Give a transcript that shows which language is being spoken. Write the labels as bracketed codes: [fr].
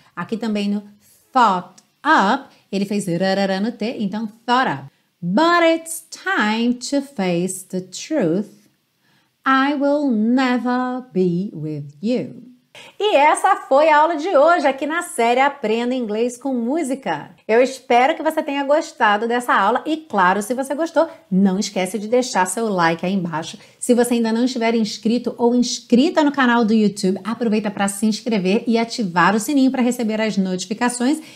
[pt] Aqui também no [en] thought up, [pt] ele fez rarara no T, então thought up. [en] But it's time to face the truth, I will never be with you. [pt] E essa foi a aula de hoje aqui na série Aprenda Inglês com Música. Eu espero que você tenha gostado dessa aula e, claro, se você gostou, não esquece de deixar seu like aí embaixo. Se você ainda não estiver inscrito ou inscrita no canal do YouTube, aproveita para se inscrever e ativar o sininho para receber as notificações.